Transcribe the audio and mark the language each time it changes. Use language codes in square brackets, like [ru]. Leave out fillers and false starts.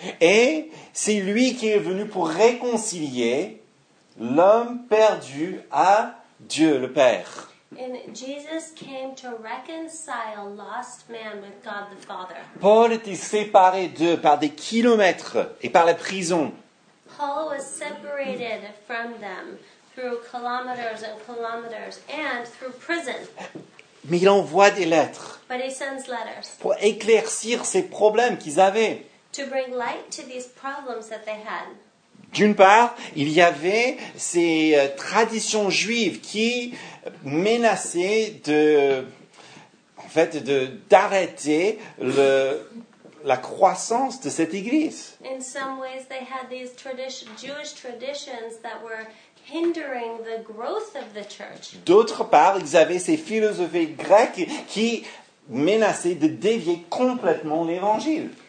[fr] Et c'est lui qui est venu pour réconcilier... l'homme perdu à Dieu le Père. [en] And Jesus came to reconcile lost man with God the Father. [fr] Paul était séparé d'eux par des kilomètres et par la prison. [en] Paul was separated from them through kilometers and kilometers and through prison. [fr] Mais il envoie des lettres. [en] But he sends letters. [fr] Pour éclaircir ces problèmes qu'ils avaient. [en] To bring light to these problems that they had. [fr] D'une part, il y avait ces traditions juives qui menaçaient de, en fait, d'arrêter la croissance de cette église. [en] In some ways, they had these Jewish traditions that were hindering the growth of the church. [fr] D'autre part, ils avaient ces philosophies grecques qui menaçaient de dévier complètement l'évangile.